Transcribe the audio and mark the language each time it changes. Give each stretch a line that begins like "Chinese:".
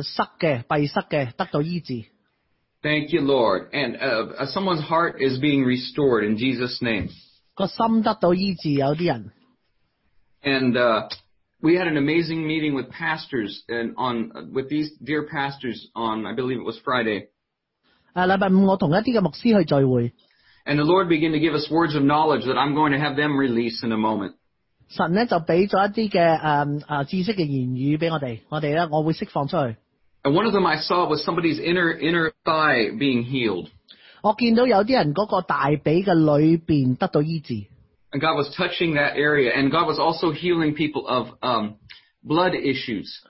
Cantonese: 多谢主，心脏嘅有塞嘅闭塞嘅得到医治。
English: Thank you, Lord, and someone's heart is being restored in Jesus' name.
Cantonese: 个心得到医治，有啲人。
English: And we had an amazing meeting with pastors and with these dear pastors on, I believe it was Friday.
Cantonese: 礼拜五我同一啲嘅牧师去聚会。
English: And the Lord began to give us words of knowledge that I'm going to have them release in a moment.
Cantonese: 神呢就俾咗一啲嘅知識嘅言語俾我哋，我會釋放出去。
English: And one of them I saw was somebody's inner thigh being healed.
Cantonese: 我見到有啲人嗰個大髀嘅裏邊得到醫治。
English: And God was touching that area, and God was also healing people of blood issues.